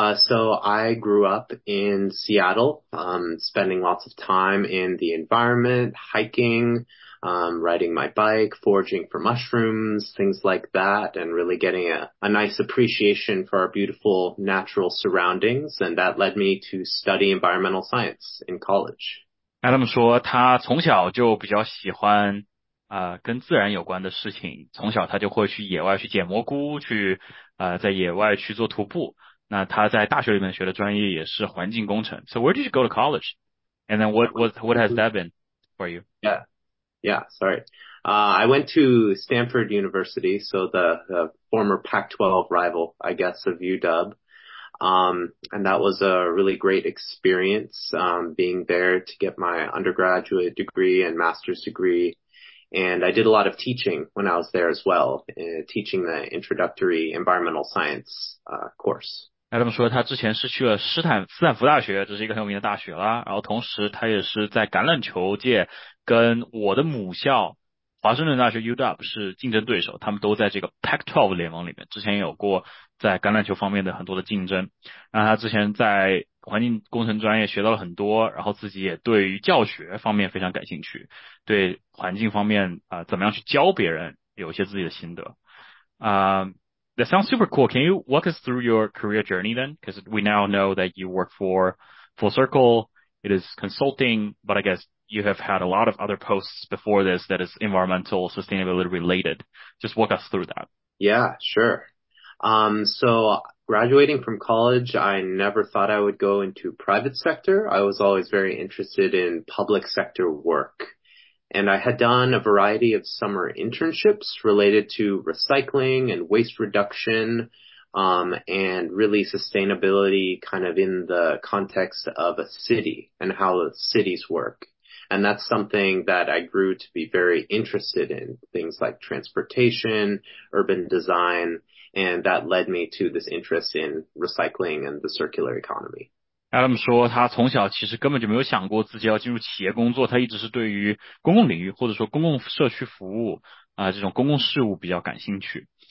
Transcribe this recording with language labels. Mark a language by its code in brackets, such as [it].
[en] So I grew up in Seattle, spending lots of time in the environment, hiking, riding my bike, foraging for mushrooms, things like that, and really getting a nice appreciation for our beautiful natural surroundings. And that led me to study environmental science in college. [zh] Adam 说他从小就比较喜欢跟自然有关的事情，从小他就会去野外去捡蘑菇，去在野外去做徒步。那他在大学里面学的专业也是环境工程。 [en] So where did you go to college? And then what has that been for you? Yeah, sorry. I went to Stanford University, so the former Pac-12 rival, I guess, of UW. And that was a really great experience, being there to get my undergraduate degree and master's degree. And I did a lot of teaching when I was there as well, teaching the introductory environmental science, course. [zh] Adam 说他之前是去了斯坦福大学，这是一个很有名的大学啦。然后同时他也是在橄榄球界跟我的母校华盛顿大学 UW 是竞争对手，他们都在这个 Pac-12 联盟里面，之前有过在橄榄球方面的很多的竞争。然后他之前在环境工程专业学到了很多，然后自己也对于教学方面非常感兴趣，对环境方面怎么样去教别人有一些自己的心得。 [en] That sounds super cool. Can you walk us through your career journey then? Because we now know that you work for Full Circle. It is consulting, but I guess you have had a lot of other posts before this that is environmental sustainability related. Just walk us through that. Yeah, sure. So graduating from college, I never thought I would go into private sector. I was always very interested in public sector work. And I had done a variety of summer internships related to recycling and waste reduction, and really sustainability kind of in the context of a city and how cities work. And that's something that I grew to be very interested in, things like transportation, urban design,And that led me to this interest in recycling and the circular economy. [zh] Adam 说他从小其实根本就没有想过自己要进入企业工作，他一直是对于公共领域或者说公共社区服务这种公共事务比较感兴趣。